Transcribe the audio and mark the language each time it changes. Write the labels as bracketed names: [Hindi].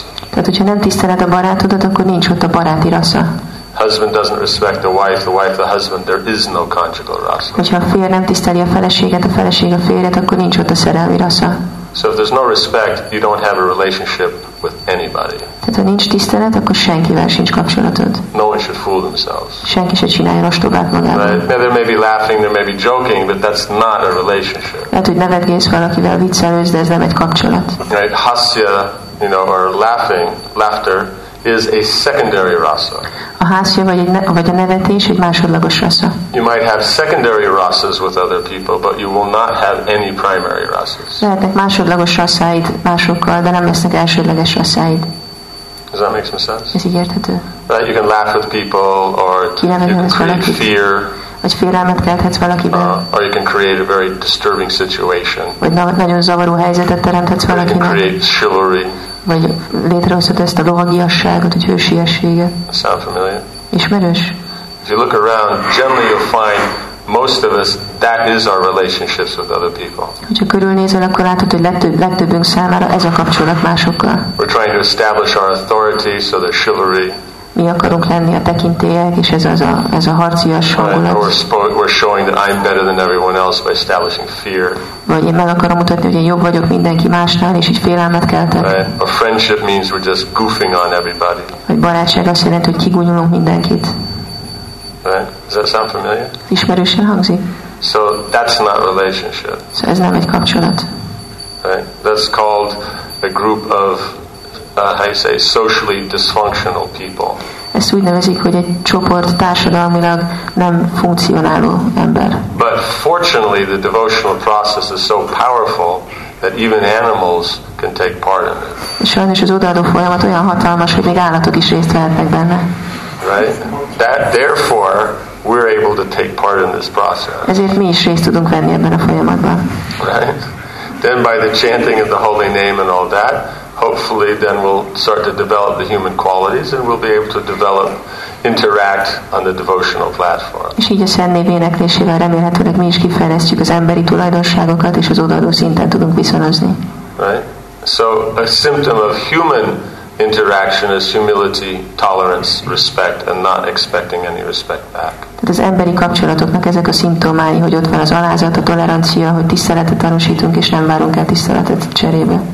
[Hungarian] Tehát, hogyha nem tiszteled a barátodat, akkor nincs ott a baráti rassza. [English] Husband doesn't respect the wife the husband, there is no conjugal rassza. [Hungarian] Hogyha a férj nem tiszteli a feleség a férjet, akkor nincs ott a szerelmi rassza. [English] So if there's no respect, you don't have a relationship with anybody. [Hungarian] Tehát ha nincs tisztelet, akkor senkivel sincs kapcsolatod. [English] No one should fool themselves. [Hungarian] Senki se csinálja rostogát magában. [English] Right? There may be laughing, there may be joking, but that's not a relationship. [Hungarian] Lehet, hogy nevetgész valakivel, viccelősz, de ez nem egy kapcsolat. [English] Right? Hasya, you know, or laughing, laughter is a secondary rasa. [Hungarian] A hasya vagy a nevetés egy másodlagos rasa. [English] You might have secondary rasas with other people, but you will not have any primary rasas. [Hungarian] Lehetnek másodlagos rasáid másokkal, de nem lesznek elsődleges rasáid. [English] Does that make some sense? [Hungarian] Ez így érthető. [English] Right, you can laugh with people, or create fear. [Hungarian] Vagy félelmet kelthetsz valakiben. [English] Or you can create a very disturbing situation. [Hungarian] Vagy nagyon zavaró helyzetet teremthetsz valakinek. [English] Or you can create chivalry. [Hungarian] Vagy létrehozhat ezt a lovagiasságot, hogy hősiességet. [English] Sound familiar? [Hungarian] Ismerős? [English] If you look around, generally you'll find most of us, that is our relationships with other people. [Hungarian] Hogyha körülnézel, akkor látod, hogy legtöbbünk számára ez a kapcsolat másokkal. [English] We're trying to establish our authority, so the chivalry. [Hungarian] Mi akarunk lenni a tekintélyek, és ez az a, ez a harcias hangulat. [English] We're showing that I'm better than everyone else by establishing fear. [Hungarian] Vagy én meg akarom mutatni, hogy én jobb vagyok mindenki másnál, és így félelmet keltek. [English] Right. A friendship means we're just goofing on everybody. [Hungarian] Vagy barátság azt jelenti, hogy kigúnyolunk mindenkit. [English] Right. Does that sound familiar? [Hungarian] Ismerősen hangzik. [English] So that's not relationship. [Hungarian] Szóval ez nem egy kapcsolat. [English] Right. That's called a group of socially dysfunctional people. [Hungarian] Ezt úgy nevezik, hogy egy csoport társadalmilag nem funkcionáló ember. [English] But fortunately the devotional process is so powerful that even animals can take part in it. [Hungarian] Sajnos az odaadó folyamat olyan hatalmas, hogy még állatok is részt vehetnek benne. [English] Right? That therefore we're able to take part in this process. [Hungarian] Ezért mi is részt tudunk venni ebben a folyamatban. [English] Right? Then by the chanting of the holy name and all that, hopefully then we'll start to develop the human qualities and we'll be able to develop, interact on the devotional platform. [Hungarian] És így a Szent Név éneklésével remélhetőleg mi is kifejlesztjük az emberi tulajdonságokat és az odaadó szinten tudunk viszonozni. [English] Right? So a symptom of human interaction is humility, tolerance, respect, and not expecting any respect back. [Hungarian] Tehát az emberi kapcsolatoknak ezek a szimptomái, hogy ott van az alázat, a tolerancia, hogy tiszteletet tanúsítunk és nem várunk el tiszteletet cserébe.